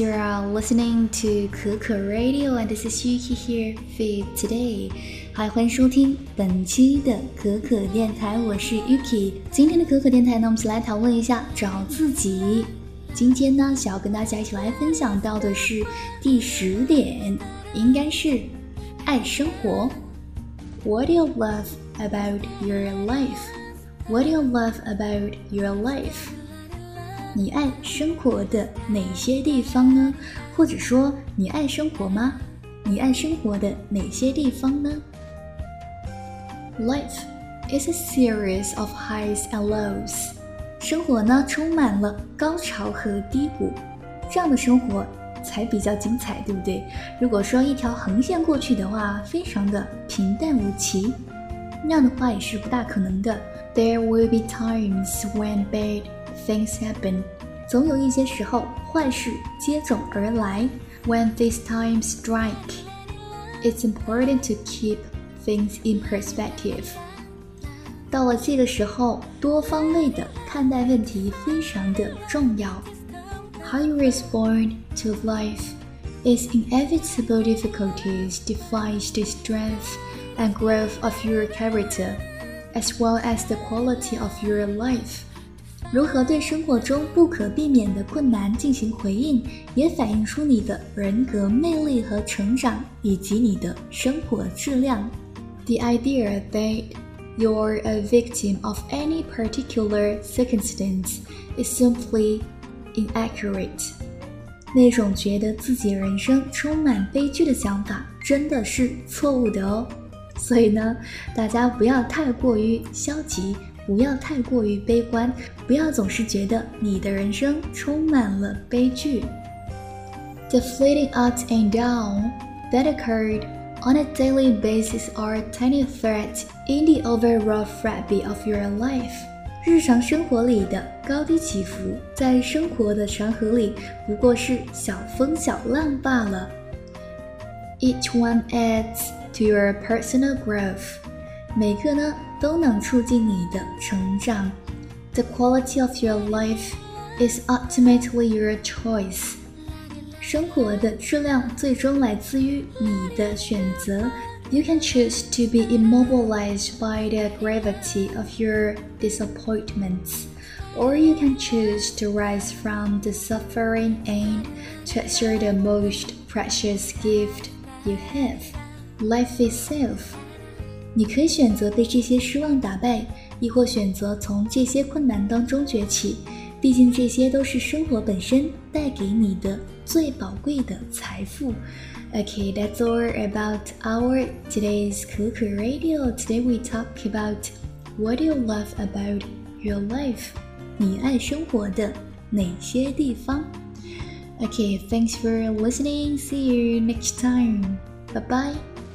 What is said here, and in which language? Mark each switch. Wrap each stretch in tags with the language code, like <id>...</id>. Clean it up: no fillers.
<en>You are listening to Keke Radio, and this is Yuki here for today.</en> <zh>Hi, 欢迎收听本期的可可电台，我是 Yuki。今天的可可电台呢，我们来讨论一下找自己。今天呢，想要跟大家一起来分享到的是第十点，应该是爱生活。</zh> <en>What do you love about your life? What do you love about your life?</en> <zh>你爱生活的哪些地方呢？或者说你爱生活吗？你爱生活的哪些地方呢？</zh> <en>Life is a series of highs and lows.</en> <zh>生活呢充满了高潮和低谷，这样的生活才比较精彩，对不对？如果说一条横线过去的话，非常的平淡无奇，那样的话也是不大可能的。</zh> <en>There will be times when badThings happen.</en> <zh>总有一些时候坏事接踵而来。</zh> <en>When these times strike, it's important to keep things in perspective.</en> <zh>到了这个时候，多方位的看待问题非常的重要。</zh> <en>How you respond to life is inevitable difficulties defines the strength and growth of your character, as well as the quality of your life.</en> <zh>如何对生活中不可避免的困难进行回应，也反映出你的人格魅力和成长，以及你的生活质量。</zh> <en>The idea that you're a victim of any particular circumstance is simply inaccurate.</en> <zh>那种觉得自己人生充满悲剧的想法真的是错误的哦。所以呢，大家不要太过于消极，不要太过于悲观，不要总是觉得你的人生充满了悲剧。</zh> <en>The fleeting ups and downs that occurred on a daily basis are a tiny threat in the overall fabric of your life.</en> <zh>日常生活里的高低起伏，在生活的长河里不过是小风小浪罢了。</zh> <en>Each one adds to your personal growth.</en> <zh>每个呢都能促进你的成长。</zh> <en>The quality of your life is ultimately your choice.</en> <zh>生活的质量最终来自于你的选择。</zh> <en>You can choose to be immobilized by the gravity of your disappointments, or you can choose to rise from the suffering and treasure the most precious gift you have, life itself.</en> <zh>你可以选择被这些失望打败，亦或选择从这些困难当中崛起，毕竟这些都是生活本身带给你的最宝贵的财富。</zh> <en>Okay, that's all about our today's Keke Radio. Today we talk about what do you love about your life?</en> <zh>你爱生活的哪些地方？</zh> <en>Okay, thanks for listening. See you next time. Bye bye.</en>